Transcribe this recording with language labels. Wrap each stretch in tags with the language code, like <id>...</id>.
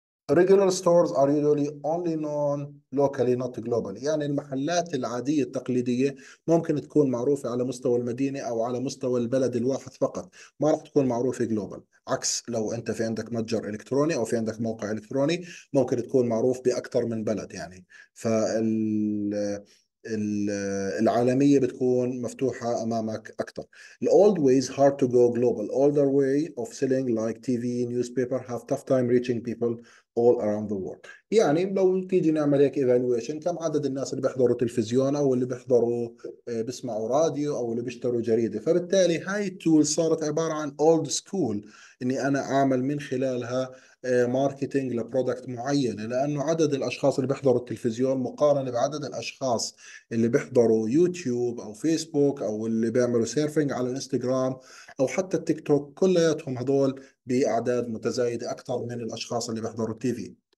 <en>regular stores are usually only known locally not globally،</en> <ar>يعني المحلات العادية التقليدية ممكن تكون معروفة على مستوى المدينة او على مستوى البلد الواحد فقط، ما راح تكون معروفة global، عكس لو انت في عندك متجر الكتروني او في عندك موقع الكتروني ممكن تكون معروف باكثر من بلد. يعني العالمية بتكون مفتوحة أمامك أكثر.</ar> <en>The old ways hard to go global. Older way of selling like TV, newspaper have tough time reaching people all around the world.</en> <ar>يعني لو تيجي نعمل هيك evaluation، كم عدد الناس اللي بيحضروا تلفزيون أو اللي بيحضروا بيسمعوا راديو أو اللي بيشتروا جريدة، فبالتالي هاي التول صارت عبارة عن old school، إني أنا أعمل من خلالها ماركتينج لبرودكت معين، لأنه عدد الأشخاص اللي بيحضروا التلفزيون مقارنة بعدد الأشخاص اللي بيحضروا يوتيوب أو فيسبوك أو اللي بيعملوا سيرفينج على الانستغرام أو حتى التيك توك، كلياتهم هذول بأعداد متزايدة أكثر من الأشخاص اللي بيحضروا التي في.</ar>